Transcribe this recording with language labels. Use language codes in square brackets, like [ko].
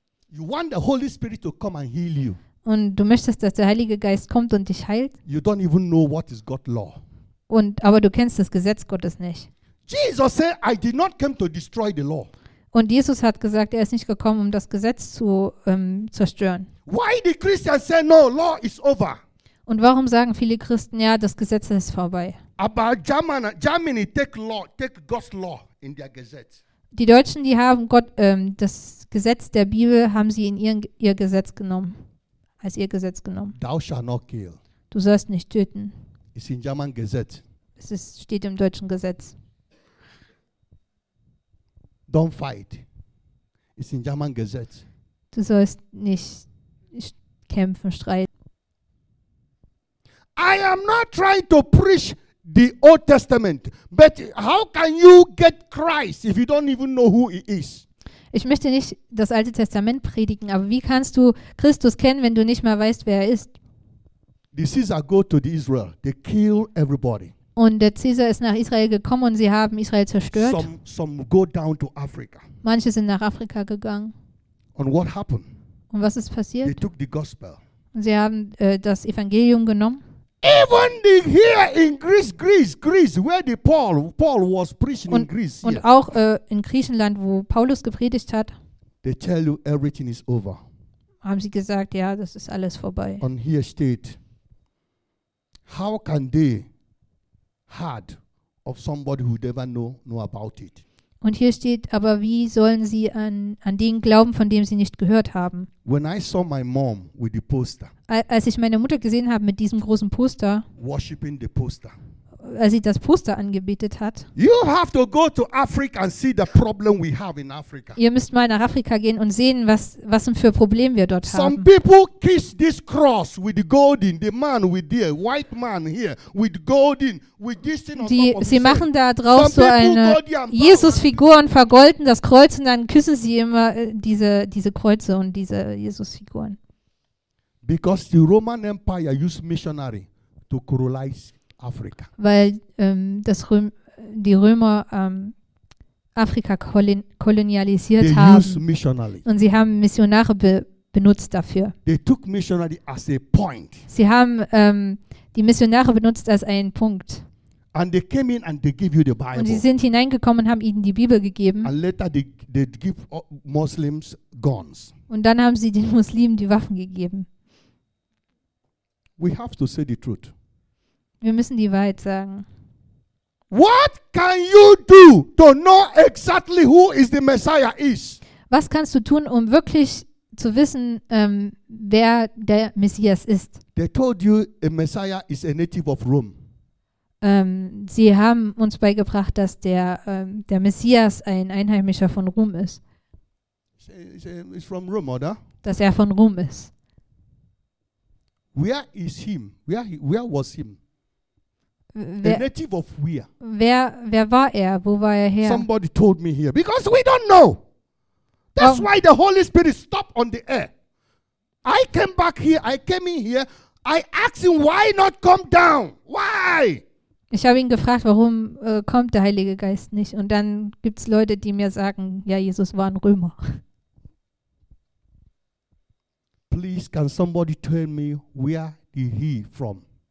[en] You want the Holy Spirit to come and heal you. [de] Und du möchtest, dass der Heilige Geist kommt und dich heilt? [en] You don't even know what is God's law. [de] Aber du kennst das Gesetz Gottes nicht. [en] Jesus said, I did not come to destroy the law. [de] Und Jesus hat gesagt, er ist nicht gekommen, um das Gesetz zu zerstören. [en] Why the Christians say no, law is over? [de] Und warum sagen viele Christen, ja, das Gesetz ist vorbei? [en] About Germany take God's law in their Gesetz. [de] Die Deutschen, die haben Gott das Gesetz der Bibel haben sie in ihr Gesetz genommen. Als ihr Gesetz genommen. [en] Thou shalt not kill. [de] Du sollst nicht töten. [en] Ist in German Gesetz. [de] Es steht im deutschen Gesetz. [en] Don't fight. Ist in German Gesetz. [de] Du sollst nicht kämpfen, streiten. [en] I am not trying to preach the Old Testament, but how can you get Christ if you don't even know who he is? [de] Ich möchte nicht das Alte Testament predigen, aber wie kannst du Christus kennen, wenn du nicht mal weißt, wer er ist? [en] The Caesar go to the Israel. They kill everybody. [de] Und der Caesar ist nach Israel gekommen und sie haben Israel zerstört. [en] Some go down to Africa. [de] Manche sind nach Afrika gegangen. [en] And what happened? [de] Und was ist passiert? [en] They took the gospel. [de] Und sie haben das Evangelium genommen. [en] Even the here in Greece, where the Paul was preaching [de] und, [en] in Greece. [de] Und [en] here. [de] Auch in Griechenland, wo Paulus gepredigt hat. [en] They tell you everything is over. [de] Haben sie gesagt, ja, das ist alles vorbei. [en] And here steht, how can they heard of somebody who never know about it? [de] Und hier steht, aber wie sollen sie an den glauben, von dem sie nicht gehört haben? [en] When I saw my mom with the poster, [de] als ich meine Mutter gesehen habe mit diesem großen Poster, [en] worshiping the poster, [de] als sie das Poster angebetet hat, [en] you have to go to Africa and see the problem we have in Africa. [de] Ihr müsst mal nach Afrika gehen und sehen, was für Problem wir dort haben. [en] Some people kiss this cross with the golden, the man with the white man here with golden, with this thing on [de] die, [en] top of [de] sie machen da drauf so eine Jesus-Figur und vergolden das Kreuz und dann küssen sie immer diese Kreuze und diese Jesus-Figuren. [en] Because the Roman Empire used missionary to colonize Africa. [de] Weil die Römer Afrika kolonialisiert [en] they [de] haben [en] used missionary. [de] Und sie haben Missionare benutzt dafür. [en] They took missionary as a point. [de] Sie haben die Missionare benutzt als einen Punkt. [en] And they came in and they give you the Bible. [de] Und sie sind hineingekommen und haben ihnen die Bibel gegeben. [en] And later they give Muslims guns. [de] Und dann haben sie den Muslimen die Waffen gegeben. [en] We have to say the truth. [de] Wir müssen die Wahrheit sagen. [en] What can you do to know exactly who is the Messiah is? [de] Was kannst du tun, um wirklich zu wissen, wer der Messias ist? [en] They told you a Messiah is a native of Rome. [de] Sie haben uns beigebracht, dass der Messias ein Einheimischer von Rom ist. [en] is from Rome, oder? [de] Dass er von Rom ist. [en] Where is him? Where was him? [de] Wer, [en] a native of where? [de] Wer war er? Wo war er her? [en] Somebody told me here. Because we don't know. That's why the Holy Spirit stopped on the air. I came back here. I came in here. I asked him, why not come down? Why? [de] Ich habe ihn gefragt, warum kommt der Heilige Geist nicht? Und dann gibt es Leute, die mir sagen, ja, Jesus war ein Römer. [en] Please, can somebody tell me where did he from?